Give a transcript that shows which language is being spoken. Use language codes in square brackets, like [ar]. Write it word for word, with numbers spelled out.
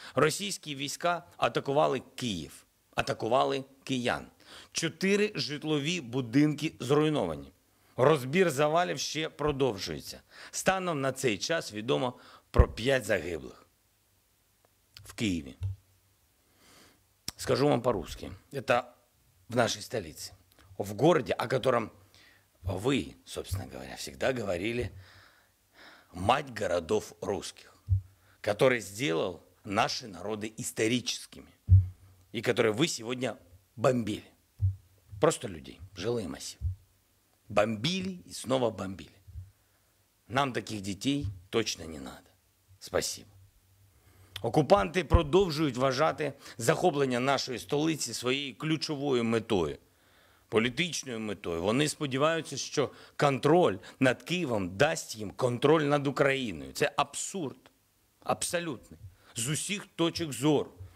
[uk] Російські війська атакували Київ, атакували киян. Чотири житлові будинки зруйновані. Розбір завалів ще продовжується. Станом на цей час відомо про п'ять загиблих в Києві. [ru] Скажу вам по-русски. Это в нашей столице. В городе, о котором вы, собственно говоря, всегда говорили, мать городов русских, который сделал наши народы историческими и которые вы сегодня бомбили. Просто людей, жилые массивы. Бомбили и снова бомбили. Нам таких детей точно не надо. Спасибо. [uk] Окупанти продовжують вважати захоплення нашої столиці своєю ключовою метою, політичною метою. Вони сподіваються, що контроль над Києвом дасть їм контроль над Україною. Це абсурд, абсолютний, з усіх точок зору.